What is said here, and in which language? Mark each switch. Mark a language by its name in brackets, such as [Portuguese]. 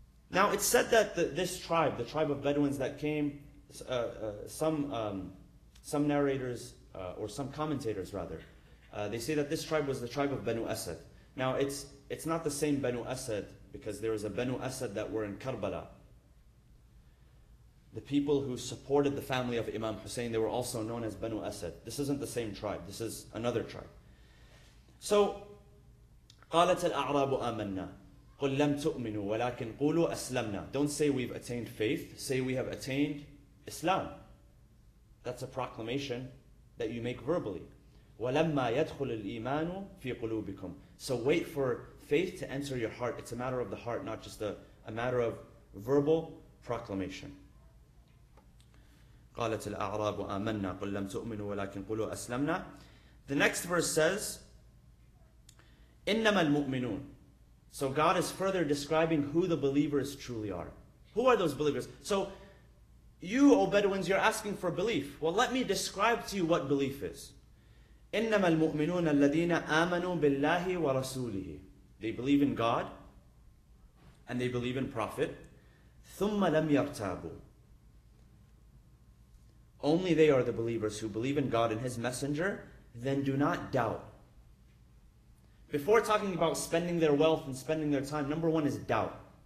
[English] Now it's said that this tribe, the tribe of Bedouins that came, some narrators or some commentators rather, they say that this tribe was the tribe of Banu Asad. Now it's not the same Banu Asad, because there is a Banu Asad that were in Karbala. The people who supported the family of Imam Hussein, they were also known as Banu Asad. This isn't the same tribe, this is another tribe. So, [Arabic] قالت الأعراب آمنا قل لم تؤمنوا ولكن قولوا أسلمنا. [English] Don't say we've attained faith, say we have attained Islam. That's a proclamation that you make verbally. [Arabic] وَلَمَّا يَدْخُلُ الْإِيمَانُ فِي قُلُوبِكُمْ. [English] So wait for faith to enter your heart. It's a matter of the heart, not just a matter of verbal proclamation. [Arabic] قالت الأعراب آمنا قل لم تؤمنوا ولكن قلوا أسلمنا. [English] The next verse says, [Arabic] إنما المؤمنون. [English] So God is further describing who the believers truly are. Who are those believers? So you, O Bedouins, you're asking for belief. Well, let me describe to you what belief is. [Arabic] إنما المؤمنون الذين آمنوا بالله ورسوله. [English] They believe in God and they believe in Prophet. [Arabic] ثم لم يرتابوا. [English] Only they are the believers who believe in God and His Messenger, then do not doubt. Before talking about spending their wealth and spending their time, number one is doubt.